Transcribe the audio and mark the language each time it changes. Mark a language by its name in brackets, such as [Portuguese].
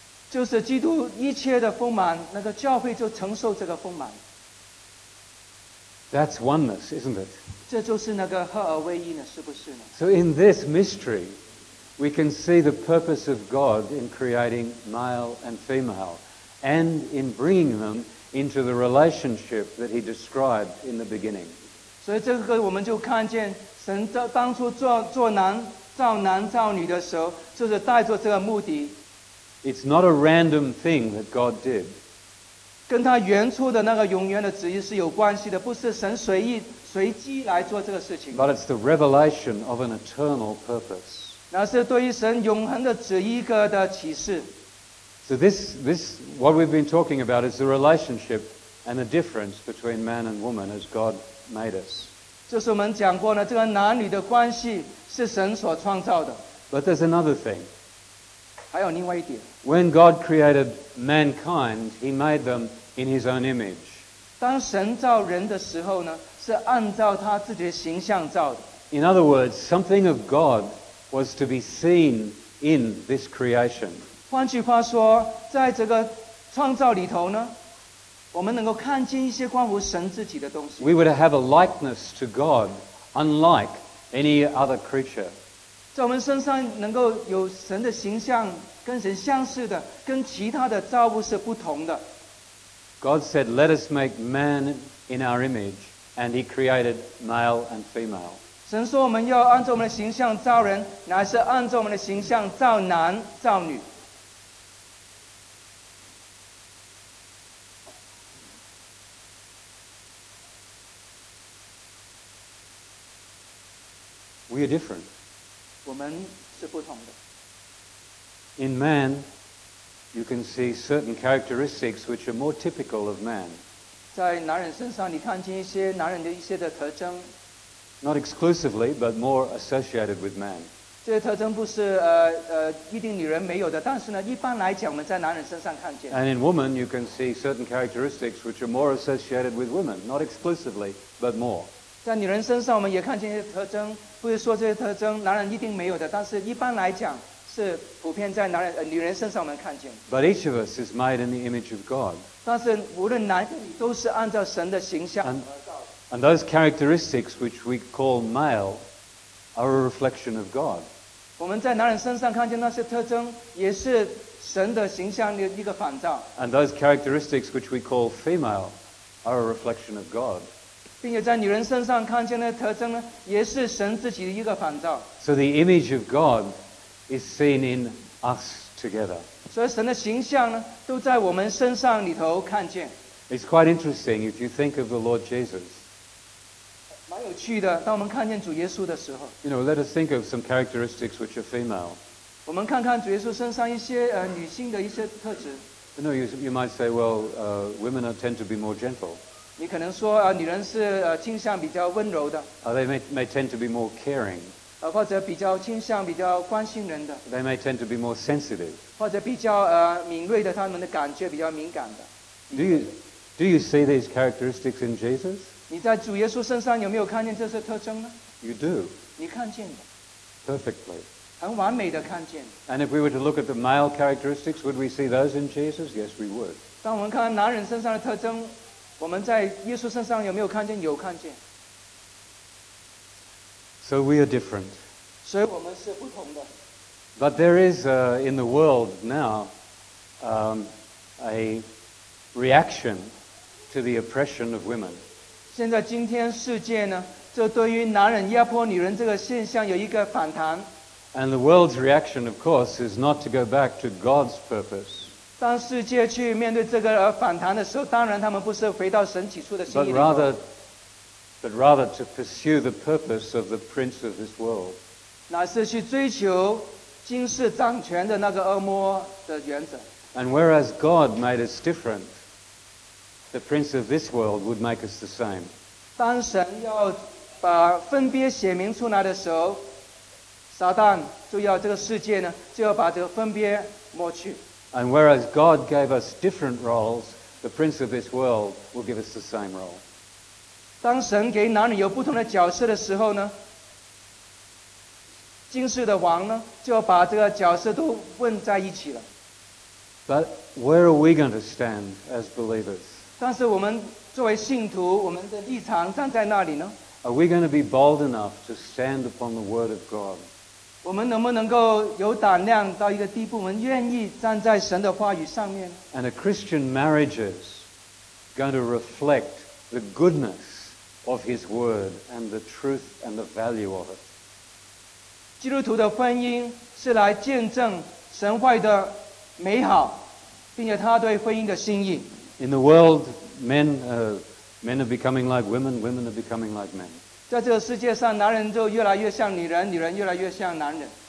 [Chinese] 就是基督一切的丰满，那个教会就承受这个丰满。 [English] That's oneness, isn't it? [Chinese] 这就是那个合而为一呢，是不是呢？ [English] So in this mystery, we can see the purpose of God in creating male and female, and in bringing them into the relationship that He described in the beginning. [Chinese] 所以这个我们就看见神当初做男。造男造女的时候，就是带着这个目的。 [English] It's not a random thing that God did. [Chinese] 跟他原初的那个永远的旨意是有关系的，不是神随机来做这个事情。 [English] But it's the revelation of an eternal purpose. [Chinese] 那是对于神永恒的旨意一个的启示。 [English] So this what we've been talking about is the relationship and the difference between man and woman as God made us. [Chinese] 就是我们讲过呢，这个男女的关系是神所创造的。 [English] But there's another thing. [Chinese] 还有另外一点。 [English] When God created mankind, He made them in His own image. [Chinese] 当神造人的时候呢，是按照他自己的形象造的。 In other words, something of God was to be seen in this creation. 换句话说，在这个创造里头呢。我们能够看见一些关乎神自己的东西。 [English] We would have a likeness to God, unlike any other creature. [Chinese] 在我们身上能够有神的形象，跟神相似的，跟其他的造物是不同的。 [English] God said, "Let us make man in our image," and He created male and female. [Chinese] 神说我们要按照我们的形象造人，乃是按照我们的形象造男造女。 [English] We are different. [Chinese] 我们是不同的。 [English] In man, you can see certain characteristics which are more typical of man. [Chinese] 在男人身上，你看见一些男人的一些的特征。 [English] Not exclusively, but more associated with man. [Chinese] 这些特征不是一定女人没有的，但是呢，一般来讲，我们在男人身上看见。 [English] And in woman, you can see certain characteristics which are more associated with women. Not exclusively, but more. [Chinese] 在女人身上，我们也看见一些特征。不是说这些特征男人一定没有的，但是一般来讲是普遍在男人女人身上我们看见。 [English] But each of us is made in the image of God. [Chinese] 但是无论男女都是按照神的形象而造。 [English] And those characteristics which we call male are a reflection of God. [Chinese] 我们在男人身上看见那些特征也是神的形象的一个反照。 [English] And those characteristics which we call female are a reflection of God. [Chinese] 并且在女人身上看见的特征呢，也是神自己的一个反照。 [English] So the image of God is seen in us together. [Chinese] 所以神的形象呢，都在我们身上里头看见。 [English] It's quite interesting if you think of the Lord Jesus. [Chinese] 蛮有趣的，当我们看见主耶稣的时候。 [English] You know, let us think of some characteristics which are female. [Chinese] 我们看看主耶稣身上一些女性的一些特质。 [English] You know, you might say, women tend to be more gentle. [Chinese] 你可能说女人是倾向比较温柔的。 [English] They may tend to be more caring. [Chinese] 或者比较倾向比较关心人的。 [English] They may tend to be more sensitive. [Chinese] 或者比较敏锐的，他们的感觉比较敏感的。 [English] Do you see these characteristics in Jesus? [Chinese] 你在主耶稣身上有没有看见这些特征呢？ [English] You do. [Chinese] 你看见的。 [English] Perfectly. [Chinese] 很完美的看见。 [English] And if we were to look at the male characteristics, would we see those in Jesus? Yes, we would. [Chinese] 当我们看男人身上的特征。我们在耶稣身上有没有看见？有看见。 [English] So we are different. [Chinese] 所以我们是不同的。 [English] But there is in the world now a reaction to the oppression of women. [Chinese] 现在今天世界呢，就对于男人压迫女人这个现象有一个反弹。 [English] And the world's reaction, of course, is not to go back to God's purpose. [Chinese] 当世界去面对这个反弹的时候，当然他们不是回到神起初的心意。 [English] But rather to pursue the purpose of the prince of this world. [Chinese] 乃是去追求今世掌权的那个恶魔的原则。 [English] And whereas God made us different, the prince of this world would make us the same. [Chinese] 当神要把分别显明出来的时候，撒旦就要这个世界呢，就要把这个分别抹去。 [English] And whereas God gave us different roles, the prince of this world will give us the same role. [Chinese] 当神给男女有不同的角色的时候呢，今世的王呢，就要把这个角色都混在一起了。 [English] But where are we going to stand as believers? [Chinese] 但是我们作为信徒，我们的立场站在哪里呢？ [English] Are we going to be bold enough to stand upon the word of God? [Chinese] 我们能不能够有胆量到一个地步，我们愿意站在神的话语上面？ [English] And are Christian marriages going to reflect the goodness of his word and the truth and the value of it? [Chinese] 基督徒的婚姻是来见证神话语的美好，并且他对婚姻的心意。 [English] In the world, men are becoming like women. Women are becoming like men. [Chinese] 在这个世界上，男人就越来越像女人，女人越来越像男人。